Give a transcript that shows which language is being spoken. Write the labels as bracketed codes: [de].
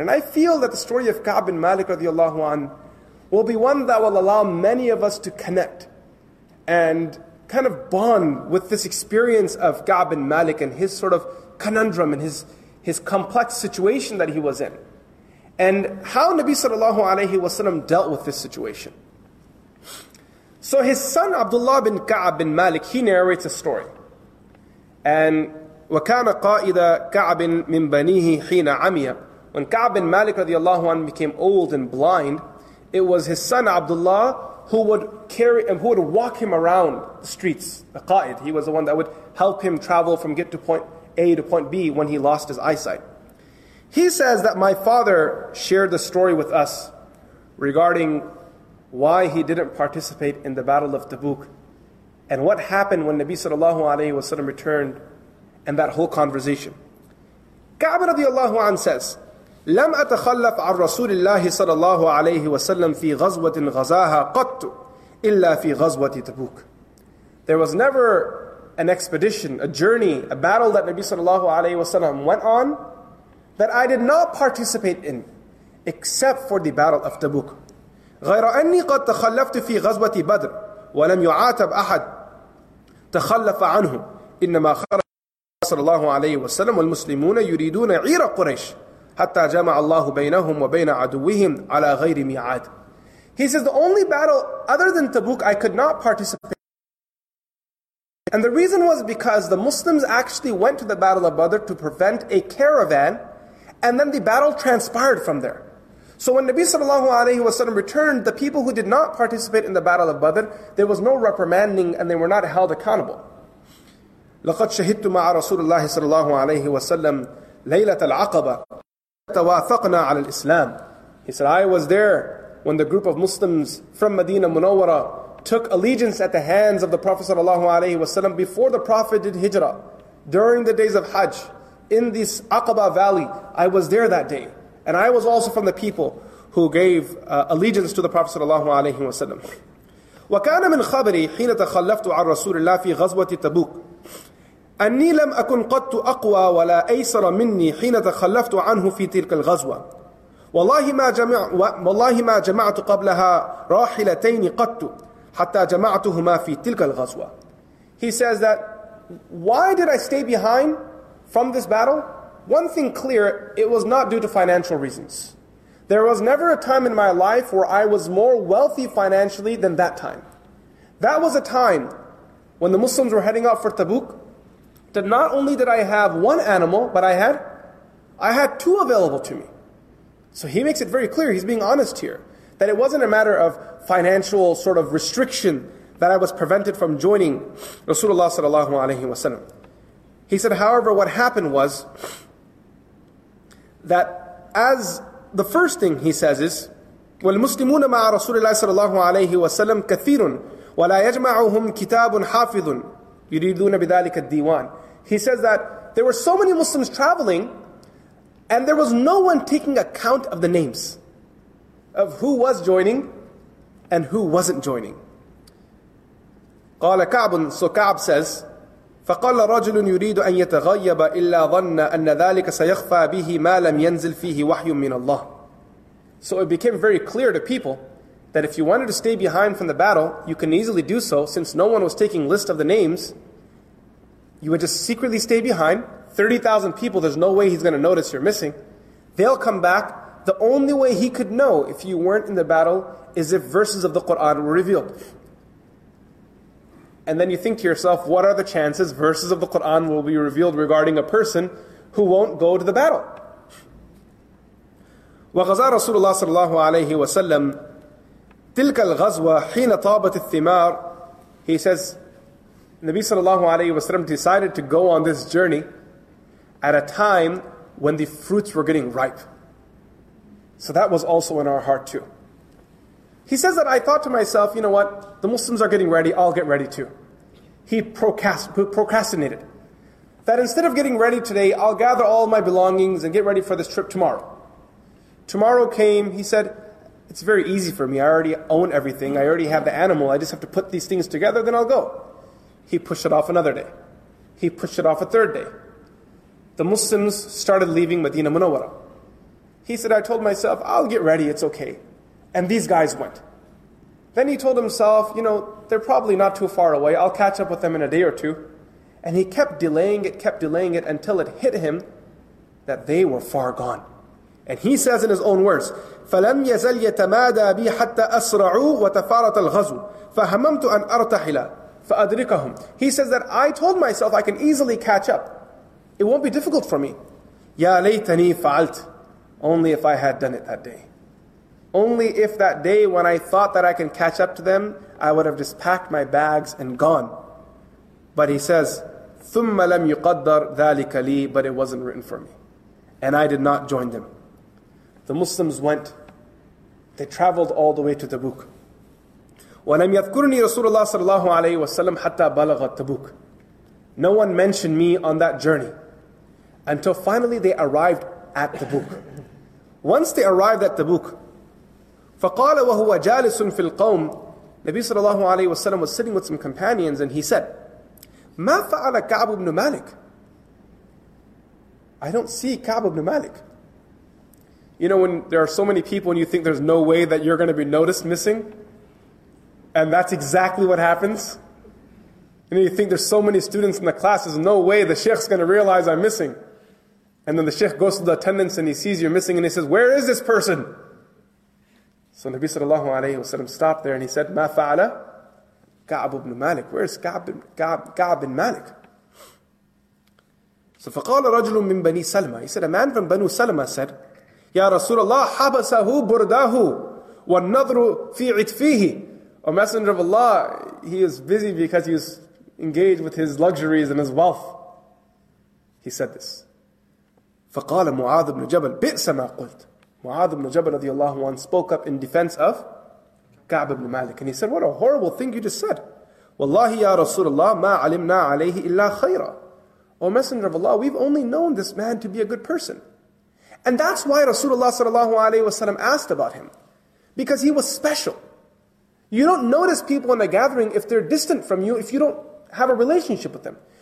[en] And I feel that the story of Ka'b bin Malik radiallahu anhu will be one that will allow many of us to connect and kind of bond with this experience of Ka'b bin Malik and his sort of conundrum and his complex situation that he was in. And how Nabi sallallahu alayhi wa sallam dealt with this situation. So his son Abdullah bin Ka'b bin Malik, he narrates a story. [ar] And وَكَانَ قَائِدَ كَعْبٍ مِّن بَنِيهِ حِينَ عَمِيَ. [en] When Ka'b bin Malik radiallahu anhu became old and blind, it was his son Abdullah who would carry him, who would walk him around the streets, the Qa'id. He was the one that would help him travel from get to point A to point B when he lost his eyesight. He says that my father shared the story with us regarding why he didn't participate in the Battle of Tabuk and what happened when Nabi sallallahu alayhi wa sallam returned and that whole conversation. Ka'b radiallahu anhu says, [ar] لم أتخلف عن رسول الله صلى الله عليه وسلم في غزوة غزاها قط إلا في غزوة تبوك. [en] There was never an expedition, a journey, a battle that Nabi sallallahu alayhi wa sallam went on that I did not participate in except for the battle of Tabuk. [ar] غير أني قد تخلفت في غزوة بدر ولم يعاتب أحد تخلف عنه إنما خرج صلى الله عليه وسلم والمسلمون يريدون عير قريش حتى جمع الله بينهم وبين عدوهم على غير ميعاد. [en] He says the only battle other than Tabuk I could not participate in. And the reason was because the Muslims actually went to the Battle of Badr to prevent a caravan, and then the battle transpired from there. So when Nabi sallallahu alayhi wa sallam returned, the people who did not participate in the Battle of Badr, there was no reprimanding and they were not held accountable. [ar] لقد شهدت مع رسول الله صلى الله عليه وسلم ليلة العقبة تواثقنا على الإسلام. [en] He said, I was there when the group of Muslims from Medina Munawwara took allegiance at the hands of the Prophet صلى الله عليه وسلم before the Prophet did Hijrah, during the days of Hajj, in this Aqaba Valley. I was there that day. And I was also from the people who gave allegiance to the Prophet صلى الله عليه وسلم. [ar] وكان من خبري حين تخلفت عن رسول الله في غزوة تبوك أني لم أكن قط أقوى ولا أيسر مني حين تخلفت عنه في تلك الغزوة والله ما جمعت قبلها راحلتين قط حتى جمعتهما في تلك الغزوة. [en] He says that, why did I stay behind from this battle? One thing clear, it was not due to financial reasons. There was never a time in my life where I was more wealthy financially than that time. That was a time when the Muslims were heading out for Tabuk, that not only did I have one animal, but I had two available to me. So he makes it very clear, he's being honest here, that it wasn't a matter of financial sort of restriction that I was prevented from joining Rasulullah sallallahu alaihi wasallam. He said, however, what happened was that as the first thing he says is, [ar] وَالْمُسْلِمُونَ مَعَ رَسُولِ اللَّهِ صَلَى اللَّهُ عَلَيْهِ وَسَلَّمْ كَثِيرٌ وَلَا يَجْمَعُهُمْ كِتَابٌ حَافِظٌ يُرِيدُونَ بِذَلِكَ الدِّيوَانِ. [en] He says that there were so many Muslims traveling, and there was no one taking account of the names of who was joining and who wasn't joining. [ar] قَالَ كَعْبٌ. [en] So Ka'b says, [ar] فَقَالَ رَجُلٌ يُرِيدُ أَن يَتَغَيَّبَ إِلَّا ظَنَّ أَنَّ ذَلِكَ سَيَخْفَى بِهِ مَا لَمْ يَنزِلْ فِيهِ وَحْيٌ مِنَ اللَّهِ. [en] So it became very clear to people that if you wanted to stay behind from the battle, you can easily do so, since no one was taking list of the names. You would just secretly stay behind. 30,000 people, there's no way he's going to notice you're missing. They'll come back. The only way he could know if you weren't in the battle is if verses of the Qur'an were revealed. And then you think to yourself, what are the chances verses of the Qur'an will be revealed regarding a person who won't go to the battle? وغزا رسول الله صلى الله عليه وسلم تلك الغزوة حين طابت الثمار. He says, Nabi صلى الله عليه وسلم decided to go on this journey at a time when the fruits were getting ripe. So that was also in our heart too. He says that I thought to myself, you know what, the Muslims are getting ready, I'll get ready too. He procrastinated. That instead of getting ready today, I'll gather all my belongings and get ready for this trip tomorrow. Tomorrow came, he said, it's very easy for me, I already own everything, I already have the animal, I just have to put these things together, then I'll go. He pushed it off another day. He pushed it off a third day. The Muslims started leaving Medina Munawwara. He said, I told myself, I'll get ready, it's okay. And these guys went. Then he told himself, you know, they're probably not too far away, I'll catch up with them in a day or two. And he kept delaying it until it hit him that they were far gone. And he says in his own words, [ar] فَلَمْ يَزَلْ يَتَمَادَى بِي حَتَّى أَسْرَعُوا وَتَفَارَتَ الْغَزُ فَهَمَمْتُ أَنْ أَرْتَحِلَ فَأَدْرِكَهُمْ. [en] He says that I told myself I can easily catch up. It won't be difficult for me. [ar] يَا لَيْتَنِي فَعَلْتُ. [en] Only if I had done it that day. Only if that day when I thought that I can catch up to them, I would have just packed my bags and gone. But he says, [ar] ثُمَّ لَمْ يُقَدَّرْ ذَلِكَ لِي. [en] But it wasn't written for me. And I did not join them. The Muslims went. They traveled all the way to Tabuk. [ar] وَلَمْ يَذْكُرْنِي رَسُولَ اللَّهِ صَلَى اللَّهُ عَلَيْهِ وَسَلَّمْ حَتَّى بَلَغَ تَبُوكُ. [en] No one mentioned me on that journey until finally they arrived at Tabuk. Once they arrived at Tabuk, [ar] فَقَالَ وَهُوَ جَالِسٌ فِي الْقَوْمِ. [en] Nabi صلى الله عليه وسلم was sitting with some companions and he said, [ar] مَا فَعَلَ كَعْبُ بْنُ مَالِكِ. [en] I don't see كَعْبُ بْنُ مَالِكِ. You know, when there are so many people and you think there's no way that you're going to be noticed missing, and that's exactly what happens. And you think there's so many students in the class, there's no way the sheikh's going to realize I'm missing. And then the sheikh goes to the attendants and he sees you're missing and he says, where is this person? So Nabi sallallahu alayhi wa sallam stopped there and he said, [ar] مَا فَعَلَ كَعْبُ بْنُ مَالِكِ. [en] Where is كَعْبُ بْنُ مَالِكِ? [ar] So فَقَالَ رَجُلٌ مِّن بَنِي سَلْمَى. [en] He said, a man from Banu Salma said, [ar] يَا رَسُولَ اللَّهِ حَبَسَهُ بُرْدَهُ وَالنَّظْرُ فِي عِتْفِيهِ. [en] O Messenger of Allah, he is busy because he is engaged with his luxuries and his wealth. He said this. [ar] فَقَالَ مُعَاذُ بْنُ جَبَلْ بِئْسَ مَا قُلْتُ. [en] مُعَاذُ بْنُ جَبَلْ رضي الله عنه spoke up in defense of كَعْبَ بْنُ مَالِكِ. And he said, what a horrible thing you just said. [ar] وَاللَّهِ يَا رَسُولَ اللَّهِ مَا عَلِمْنَا عَلَيْهِ إِلَّا خَيْرًا. [en] O Messenger of Allah, we've only known this man to be a good person. And that's why Rasulullah sallallahu alaihi wasallam asked about him. Because he was special. You don't notice people in a gathering if they're distant from you, if you don't have a relationship with them.